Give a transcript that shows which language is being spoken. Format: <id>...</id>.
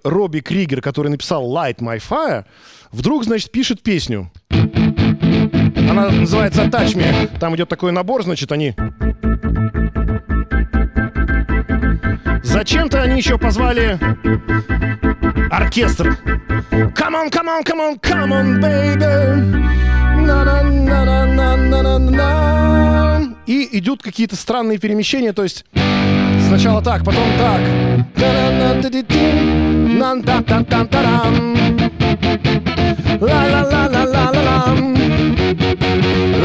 <ru>Робби Кригер, который написал «Light My Fire», вдруг, значит, пишет песню. Она называется «Touch Me». Там идет такой набор, значит, они... Зачем-то они еще позвали оркестр.</ru> <en>Come on, come on, come on, come on, baby. На-на-на-на-на-на-на-на.</en> <ru>И идут какие-то странные перемещения. То есть сначала так, потом так.</ru>